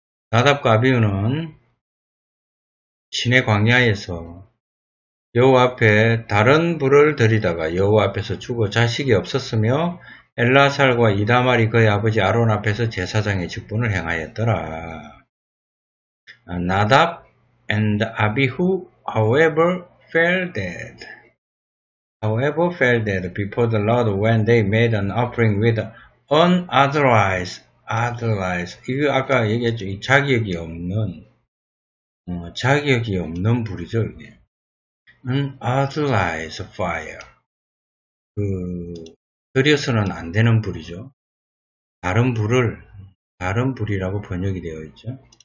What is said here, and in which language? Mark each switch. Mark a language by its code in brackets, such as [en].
[ko] 나답과 아비우는 시내 광야에서 여호와 앞에 다른 불을 들이다가 여호와 앞에서 죽어 자식이 없었으며 엘라살과 이다말이 그의 아버지 아론 앞에서 제사장의 직분을 행하였더라. [en] Nadab and Abihu, however, fell dead before the Lord when they made an offering with unauthorized, otherwise. [ko] 이거 아까 얘기했죠. 이 자격이 없는 불이죠, 이게. [en] unauthorized fire. [ko] 들여서는 안 되는 불이죠. 다른 불이라고 번역이 되어 있죠.